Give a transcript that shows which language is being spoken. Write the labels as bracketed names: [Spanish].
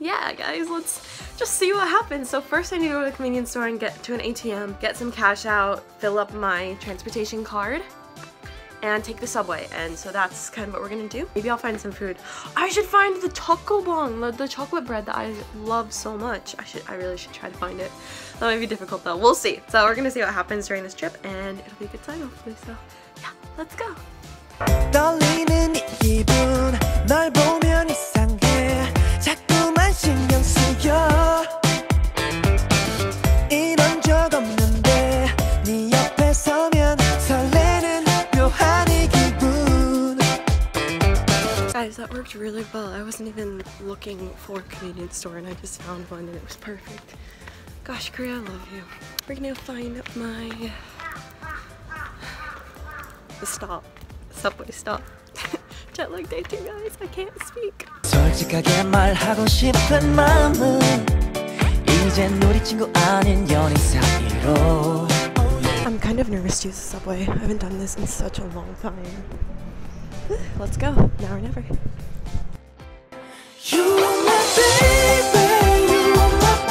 [English] Yeah, guys, let's just see what happens. So first I need to go to the convenience store and get to an ATM, get some cash out, fill up my transportation card, and take the subway. And so that's kind of what we're gonna do. Maybe I'll find some food. I should find the chocobong, the chocolate bread that I love so much. I really should try to find it. That might be difficult though, we'll see. So we're gonna see what happens during this trip and it'll be a good time hopefully. So yeah, let's go. [Korean] 떨리는 이 기분 널 보면 이상해 자꾸만 신경 쓰여 이런 적 없는데 네 옆에 서면 설레는 묘한 이 기분. [English] Guys, that worked really well. I wasn't even looking for a convenience store and I just found one and it was perfect. Gosh, Korea, I love you. We're gonna find my the stop. Subway stop. Jet lag day 2, guys. I can't speak. [Korean] 솔직하게 말하고 싶은 마음은 이제 우리 친구 아닌 연인 사이로. [English] I'm kind of nervous to use the subway. I haven't done this in such a long time. Let's go. Now or never. You are my baby.